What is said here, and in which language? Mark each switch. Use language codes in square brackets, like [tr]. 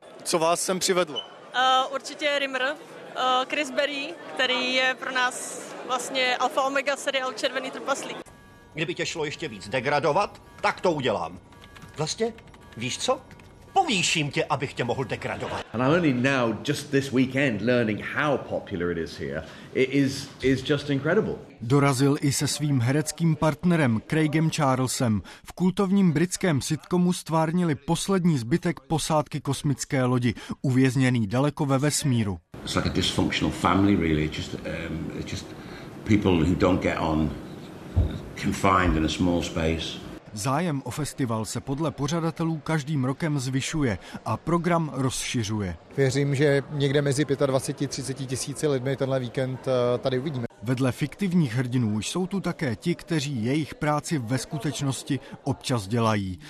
[cs] Co vás sem přivedlo? Určitě Rimmer, Chris Berry, který je pro nás vlastně alfa omega seriál Červený trpaslík. Kdyby tě šlo ještě víc degradovat, tak to udělám. Vlastně? Víš co? Povýším tě, abych tě mohl degradovat. [en] And I'm only now just this weekend learning how popular it is here. It is just incredible. [cs] Dorazil i se svým hereckým partnerem Craigem Charlesem. V kultovním britském sitcomu stvárnili poslední zbytek posádky kosmické lodi, uvězněný daleko ve vesmíru. [en] It's like a dysfunctional family really, just people who don't get on confined in a small space. [cs] Zájem o festival se podle pořadatelů každým rokem zvyšuje a program rozšiřuje. Věřím, že někde mezi 25-30 tisíci lidmi tenhle víkend tady uvidíme. Vedle fiktivních hrdinů jsou tu také ti, kteří jejich práci ve skutečnosti občas dělají.